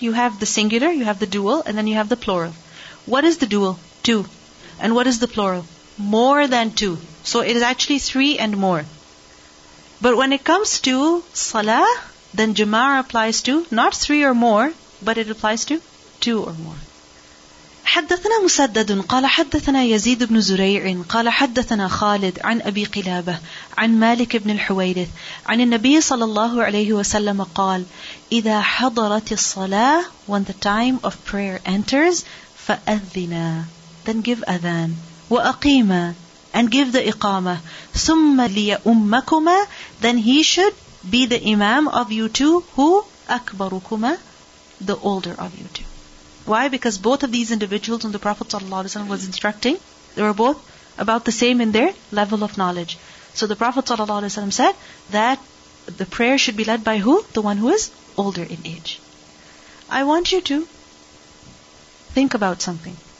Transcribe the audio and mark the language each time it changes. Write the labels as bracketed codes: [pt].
[en] You have the singular, you have the dual, and then you have the plural. What is the dual? 2. And what is the plural? More than 2. So it is actually 3 and more. But when it comes to salah, then jama'ah applies to not 3 or more, but it applies to 2 or more. [ar] حدثنا مسدد قال حدثنا يزيد بن زريع قال حدثنا خالد عن أبي قلابة عن مالك بن الحويرث عن النبي صلى الله عليه وسلم قال إذا حضرت الصلاة, [en] when the time of prayer enters, [ar] فأذنا, [en] then give [ar] أذان, وأقيما, [en] and give the [ar] إقامة, ثم ليأمكما, [en] then he should be the imam of you two, [ar] who أكبركما, [en] the older of you two. Why? Because both of these individuals whom the Prophet ﷺ was instructing, they were both about the same in their level of knowledge. So the Prophet ﷺ said that the prayer should be led by who? The one who is older in age. I want you to think about something.